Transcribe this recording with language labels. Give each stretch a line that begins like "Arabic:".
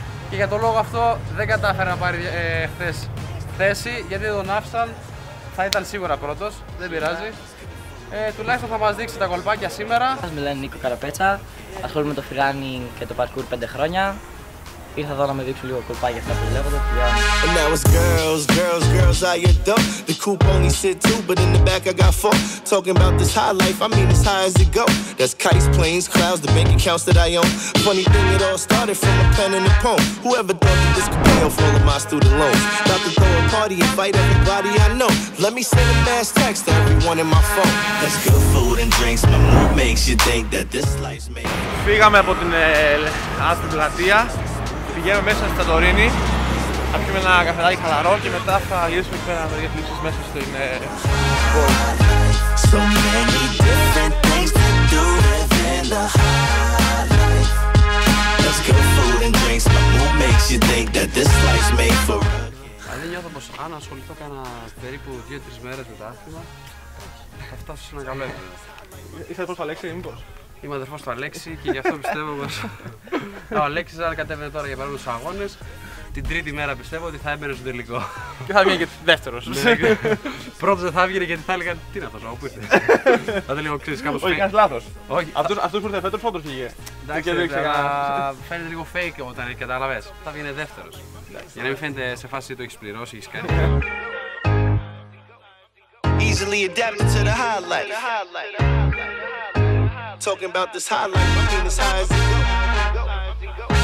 Greek: Και για τον λόγο αυτό δεν κατάφερε να πάρει χθες θέση, γιατί τον άφησαν, θα ήταν σίγουρα πρώτος, δεν πειράζει. Τουλάχιστον θα μας δείξει τα κολπάκια σήμερα. Μας μιλάνε Νίκο Καραπέτσα, ασχολούμαι με το freerunning και το parkour 5 χρόνια. ήρθα εδώ να με δείξω λίγο κουλπάκια αυτά που βλέπετε.
English: And now it's girls, girls, girls, how you dumb? The coupe only said two, but in the back I got four. Talking about this high life, I mean as high as it go. That's kites, planes, clouds, the bank accounts that I own. Funny thing, it all started from a pen and a poem. Whoever thought that this could pay off all of my student loans. About to throw a party, invite everybody I know. Let me send a mass text to everyone in my phone. That's good food and drinks, my mood makes you think that this life's made.
Greek: Φύγαμε από την άσπρη πλατεία. Πηγαίνουμε μέσα στη Σαντορίνη. Θα πιούμε ένα καφεδάκι χαλαρό και μετά θα γυρίσουμε εκεί πέρα να δούμε τι γίνεται μέσα στην πόλη. Δηλαδή νιώθω πως αν ασχοληθώ κάνα περίπου 2-3 μέρες με το άθλημα, θα φτάσω σε ένα καλό επίπεδο. Είσαι αδερφός του Αλέξη, μήπως? Είμαι αδερφός του Αλέξη και γι' αυτό πιστεύω πως ο Αλέξης αν κατέβαινε τώρα για παρόλους τους αγώνες, την τρίτη μέρα πιστεύω ότι θα έμπαινε στο τελικό. Και θα βγει και δεύτερος. Πρώτος δεν θα έβγαινε γιατί θα έλεγαν τι είναι αυτός ο οποίος. Θα ήταν λίγο ξέρεις κάπως fake. Όχι, κάνεις λάθος. Αυτός που ήρθε φέτος πρώτος βγήκε. Εντάξει, αλλά φαίνεται λίγο fake όταν έρχεται, καταλαβες. Θα βγαίνει δεύτερος. Για να μην φαίνεται σε φάση το έχεις πληρώσει, έχεις κάνει.
English: Easily adapted to the highlight. Talking about this highlight, my penis high as it goes.